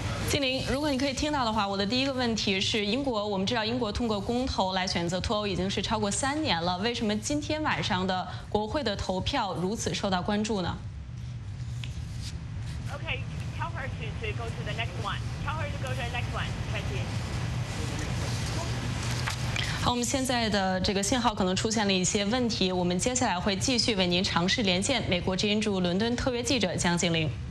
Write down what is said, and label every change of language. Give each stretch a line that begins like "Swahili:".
Chinese: 静玲，如果你可以听到的话，我的第一个问题是，英国，我们知道英国通过公投来选择脱欧已经是超过3年了，为什么今天晚上的国会的投票如此受到关注呢？
English: Okay, tell her to go to the next one. Tell her to go to the next one. Thank you.
Chinese: 好，我们现在的这个信号可能出现了一些问题，我们接下来会继续为您尝试连线美国之音驻伦敦特约记者江静玲。